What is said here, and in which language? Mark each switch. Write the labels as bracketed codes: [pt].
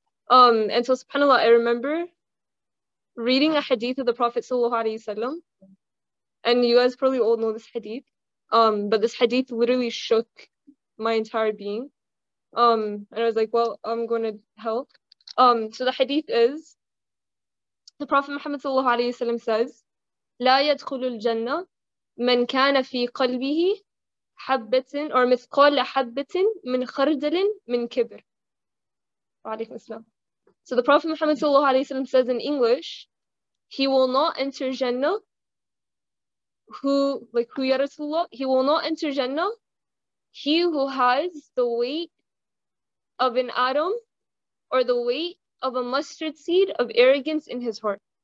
[en] And so subhanAllah, I remember reading a hadith of the Prophet sallallahu alaihi wasallam, and you guys probably all know this hadith. But this hadith literally shook my entire being. And I was like, well, I'm going to hell. So the hadith is, the Prophet Muhammad sallallahu alayhi wa sallam says, [ar] لا يدخل الجنة من كان في قلبه حبة or مثقال حبة من خردل من كبر. [en] So the Prophet Muhammad sallallahu alayhi wa sallam says in English, he will not enter Jannah he will not enter Jannah, he who has the weight of an atom or the weight of a mustard seed of arrogance in his heart.